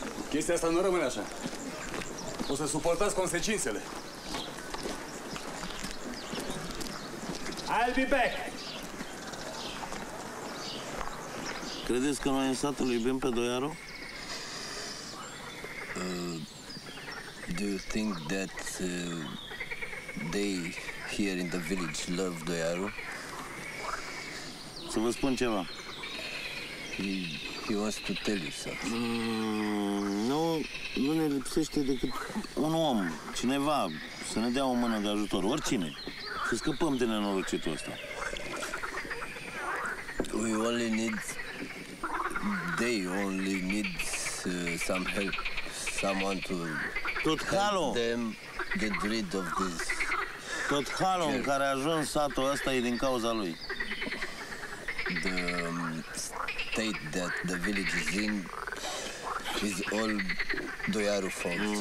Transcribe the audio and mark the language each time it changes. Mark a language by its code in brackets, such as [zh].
[ro] chestia asta nu rămâne așa. O să suportați consecințele. [en] I'll be back. [ro] Credeți că noi în sat îl iubim pe Doiaru? [en] Do you think that they here in the village love Doiaru? [ro] Să vă spun ceva. [en] He wants to tell you something. [ro] Nu ne lipsește decât un om, cineva, să ne dea o mână de ajutor, oricine. Să scăpăm de nenorocitul ăsta. [en] We only need... They only need some help. Someone to... [ro] Tot halul. [en] ...them get rid of this... [ro] Tot halul în care a ajuns satul ăsta e din cauza lui. [en] The state that the village is in is all Doiaru fault.